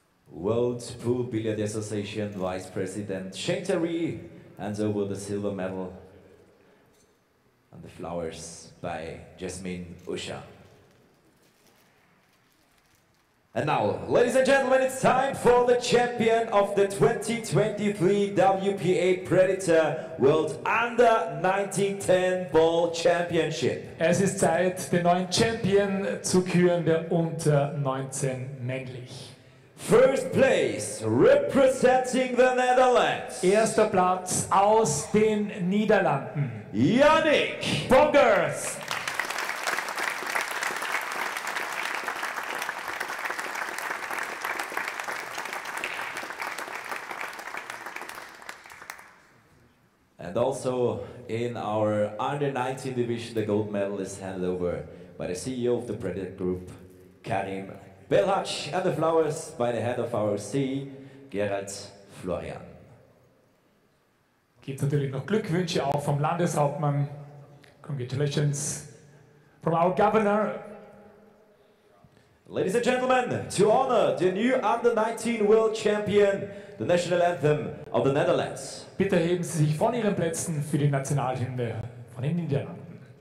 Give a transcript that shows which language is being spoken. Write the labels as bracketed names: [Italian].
[English] World Pool Billiard Association Vice President Shane Terry hands over the silver medal and the flowers by Jasmine Usha. And now, ladies and gentlemen, it's time for the champion of the 2023 WPA Predator World Under 1910 Ball Championship. [German] Es ist Zeit, den neuen Champion zu küren, der unter 19 männlich. [English] First place, representing the Netherlands. [German] Erster Platz aus den Niederlanden. Yannick Pongers. [English] And also in our under 19 division, the gold medal is handed over by the CEO of the Predator Group, Karim Belhac, and the flowers by the head of our C, Gerald Florian. [German] Gibt natürlich noch Glückwünsche auch vom Landeshauptmann. [English] Congratulations from our governor. Ladies and gentlemen, to honor the new under 19 world champion, the national anthem of the Netherlands. [German] Bitte heben Sie sich von Ihren Plätzen für die Nationalhymne von den Niederlanden.